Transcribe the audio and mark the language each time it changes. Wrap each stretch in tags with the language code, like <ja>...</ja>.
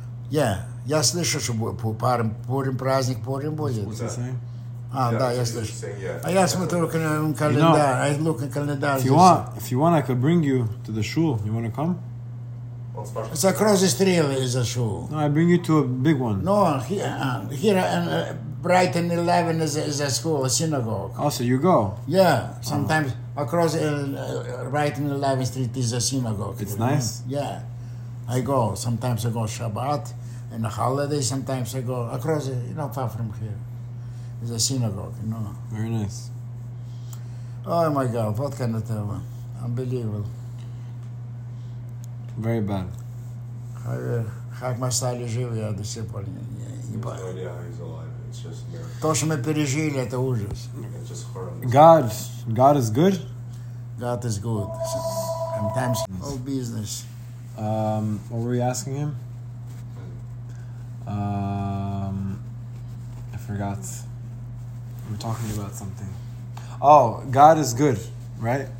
<ru>Yeah, я слышу, что Пурим праздник, Пурим будет.</ru> <en>What's that saying?</en> <ru>Yeah, я слышу.</ru> <en>Yeah. I look at calendar. If you want, I could bring you to the shul. You want to come? It's across the street is a shul. No, I bring you to a big one. No, here, Brighton 11 is a school, a synagogue. Oh, so you go? Yeah, sometimes across Brighton 11 street is a synagogue. It's nice? Yeah. I go. Sometimes I go Shabbat and a holiday. Sometimes I go across, far from here. It's a synagogue, you know. Very nice. Oh my God, what can I tell you? Unbelievable. Very bad.</en> <ru>Как мы стали живы, я до сих пор не понимаю.</ru> <en>He's alive, it's just...</en> <ru>То, что мы пережили, это ужас.</ru> <en>God is good? God is good. Sometimes all business. What were you asking him? I forgot. We're talking about something. Oh, God is good, right?</en>